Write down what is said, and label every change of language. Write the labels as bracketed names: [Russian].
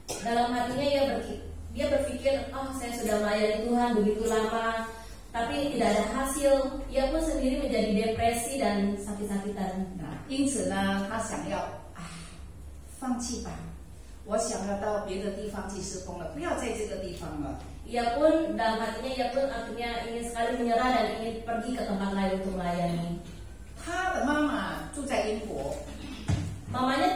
[Indonesian] Dalam hatinya dia berpikir, oh saya sudah melayani Tuhan begitu lama, tapi tidak ada hasil. Ia pun sendiri menjadi depresi dan sakit-sakitan. [Chinese] 因此呢，他想要，哎，放弃吧，我想要到别的地方去施工了，不要在这个地方了。 [Indonesian] Ia pun dalam hatinya ia pun akhirnya ingin sekali menyerah dan ingin pergi ke tempat lain untuk melayani. [Chinese] 他的妈妈住在英国。 [Indonesian] Mamanya